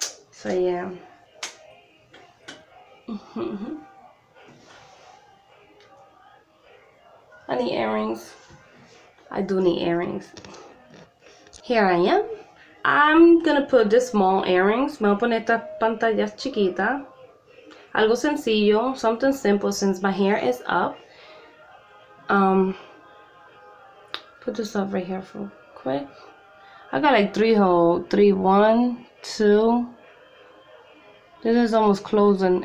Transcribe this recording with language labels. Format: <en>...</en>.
<en>So yeah. I need earrings. I do need earrings. Here I am. I'm gonna put this small earrings.</en> <es>Me voy a poner esta pantalla chiquita. Algo sencillo,</es> <en>something simple since my hair is up. Put this up right here for quick. I got like three holes. Three, one, two. This is almost closing.</en>